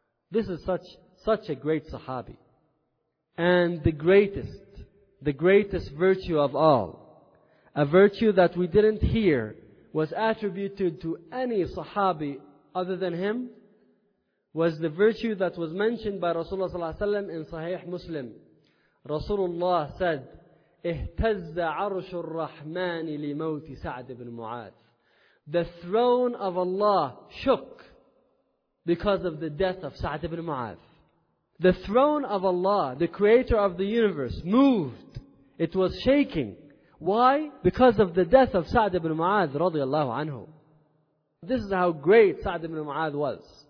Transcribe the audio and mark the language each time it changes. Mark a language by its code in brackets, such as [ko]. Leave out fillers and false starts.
[en] This is such a great Sahabi. And the greatest virtue of all, a virtue that we didn't hear was attributed to any Sahabi other than him, was the virtue that was mentioned by Rasulullah ﷺ in Sahih Muslim. Rasulullah said, [ar] اِهْتَزَّ عَرْشُ الرَّحْمَانِ لِمَوْتِ سَعْدِ بْنِ مُعَاذِ. [en] The throne of Allah shook because of the death of Sa'd ibn Mu'adh. The throne of Allah, the creator of the universe, moved. It was shaking. Why? Because of the death of Sa'd ibn Mu'adh radiallahu anhu. This is how great Sa'd ibn Mu'adh was.